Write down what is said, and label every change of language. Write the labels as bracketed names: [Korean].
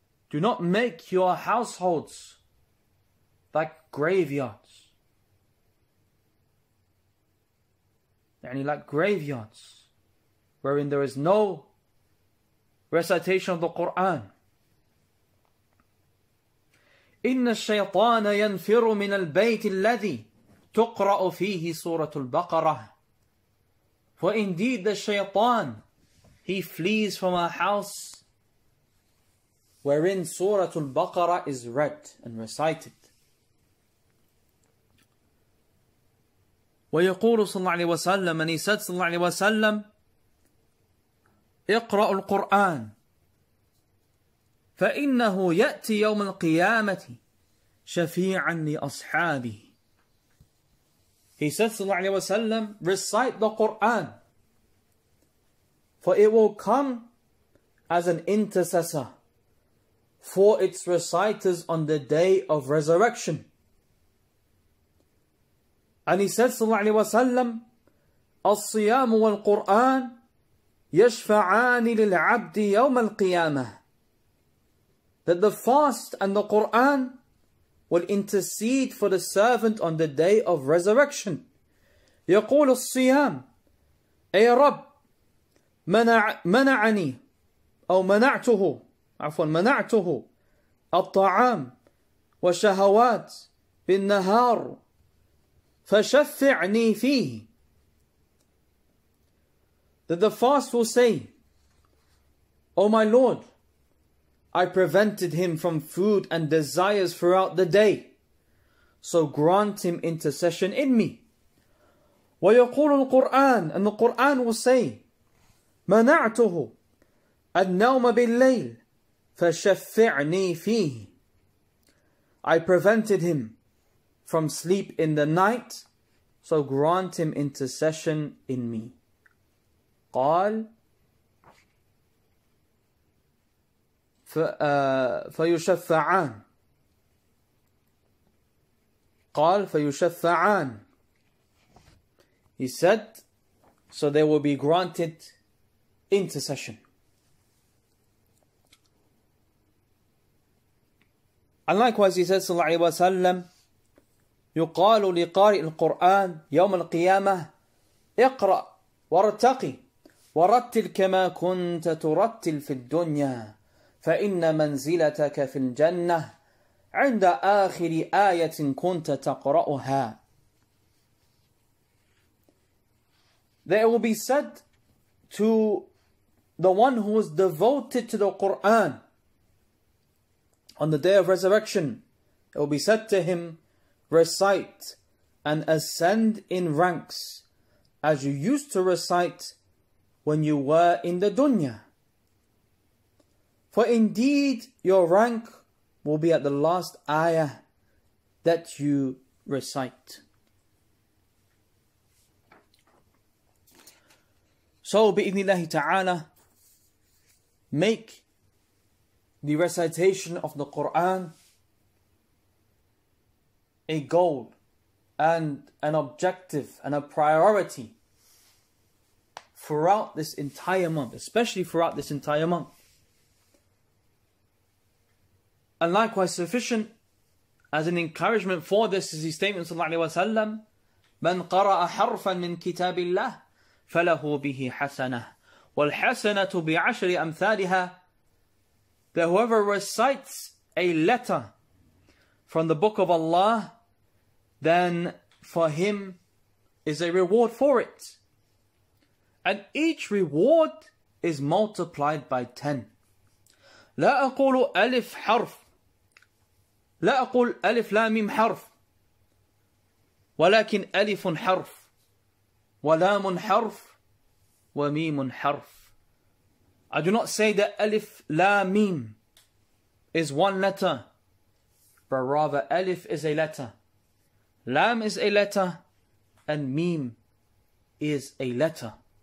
[English] Do not make your households like graveyards. [Arabic] يعني [English] like graveyards, wherein there is no recitation of the Quran. [Arabic] إن الشيطان ينفر من البيت الذي تقرأ فيه سورة البقرة. [English] For indeed the shaytan, he flees from a house wherein Surah Al-Baqarah is read and recited. [Arabic] ويقول صلى الله عليه وسلم, [English] and he said [Arabic] صلى الله عليه وسلم, اقرأ القرآن فإنه يأتي يوم القيامة شفيعا لأصحابه. [English] He said [Arabic] صلى الله عليه وسلم, [English] recite the Quran, for it will come as an intercessor for its reciters on the day of resurrection. And he said [Arabic] صلى الله عليه وسلم, الصيام والقرآن يشفعان للعبد يوم القيامة. [English] That the fast and the Quran will intercede for the servant on the day of resurrection. [Arabic] يقول الصيام, أي رب منعني أو منعته, عفوا منعته الطعام والشهوات بالنهار فشفعني فيه. [English] That the fast will say, oh my Lord, I prevented him from food and desires throughout the day, so grant him intercession in me. [Arabic] ويقول القرآن, [English] and the Quran will say, [Arabic] منعته النوم بالليل فشفعني فيه. [English] I prevented him from sleep in the night, so grant him intercession in me. [Arabic] قال فيشفعان. قال فيشفعان. [English] He said, so they will be granted intercession. And likewise, he said, [Arabic] صلى الله عليه وسلم, يقال لقارئ القرآن يوم القيامة, اقرأ وارتقي ورتل كما كنت ترتل في الدنيا. فإن منزلتك في الجنة عند آخر آية كنت تقرأها. [English] That it will be said to the one who is devoted to the Quran on the day of resurrection, it will be said to him, recite and ascend in ranks as you used to recite when you were in the dunya. For indeed, your rank will be at the last ayah that you recite. So, [Arabic] بإذنالله تعالى, [English] make the recitation of the Qur'an a goal and an objective and a priority throughout this entire month, especially throughout this entire month. And likewise sufficient as an encouragement for this is the statement [Arabic] صلى الله عليه وسلم, من قرأ حرفا من كتاب الله فله به حسنة والحسنة بعشر أمثالها [English] that whoever recites a letter from the book of Allah, then for him is a reward for it. And each reward is multiplied by 10. [Arabic] لا أقول ألف حرف لا أقول ألف لام ميم حرف ولكن ألف حرف ولام حرف وميم حرف. [English] I do not say that [Arabic] ألف لام ميم [English] is one letter, but rather ألف is a letter, لام is a letter, and ميم is a letter.